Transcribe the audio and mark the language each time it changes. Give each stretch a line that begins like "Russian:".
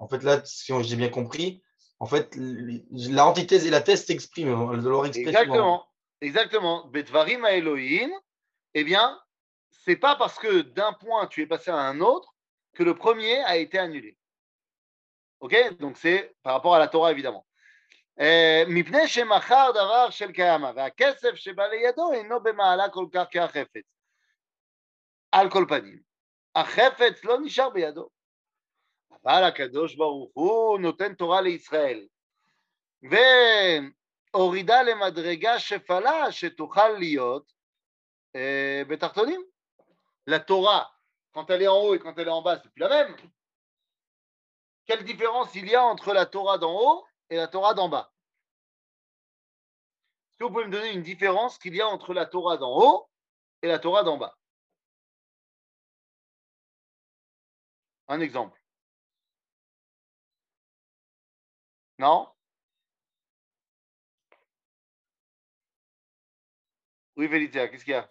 French: En fait, là, si j'ai bien compris, en fait, l'antithèse et la thèse s'expriment de leur expression. Exactement. Exactement. Betvarim à Elohim, eh bien, ce n'est pas parce que d'un point tu es passé à un autre que le premier a été annulé. OK ? Donc, c'est par rapport à la Torah, évidemment.
Hebrew: מפני שמחר דבר של קיימה והכסף שבא לידו אינו במעלה כל כך כהחפץ על כל פנים החפץ לא נשאר בידו אבל הקדוש ברוך הוא נותן תורה לישראל והורידה למדרגה שפלה שתוכל להיות בתחתונים לתורה
French: quand elle est en haut et quand elle est en bas c'est plus la même quelle différence il y a entre la Torah d'en haut et la Torah d'en bas. Est-ce que vous pouvez me donner une différence qu'il y a entre la Torah d'en haut et la Torah d'en bas ? Un exemple. Non ? Oui, Vélitia, qu'est-ce qu'il y a ?